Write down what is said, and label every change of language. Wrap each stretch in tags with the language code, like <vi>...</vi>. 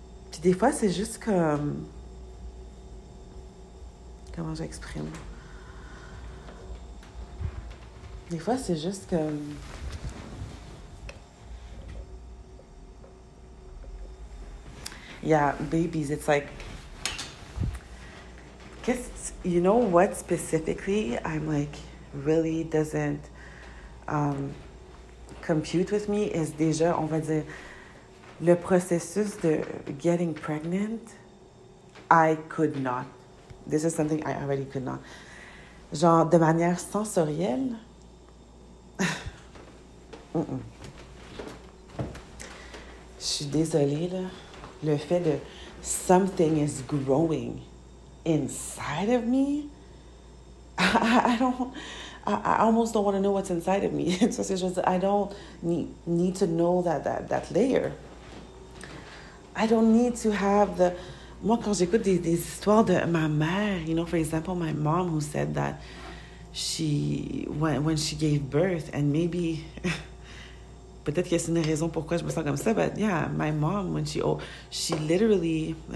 <fr>Puis des fois, c'est juste comme, comment j'exprime? Des fois, c'est juste comme,</fr> <en>yeah, babies, it's like, you know what specifically I'm like really doesn't compute with me is</en> <fr>déjà, on va dire, le processus de</fr> <en>getting pregnant, I could not. This is something I already could not.</en> <fr>Genre, de manière sensorielle, je suis désolée, là. Le fait de</fr> <en>something is growing inside of me, I almost don't want to know what's inside of me. So it's just, I don't need to know that layer. I don't need to have the,</en> <fr>moi quand j'écoute des histoires de ma mère,</fr> <en>you know, for example, my mom who said that she, when she gave birth, and maybe,</en> <fr>peut-être qu'il y a une raison pourquoi je me sens comme ça,</fr> <en>but yeah, my mom, when she, oh, she literally,</en>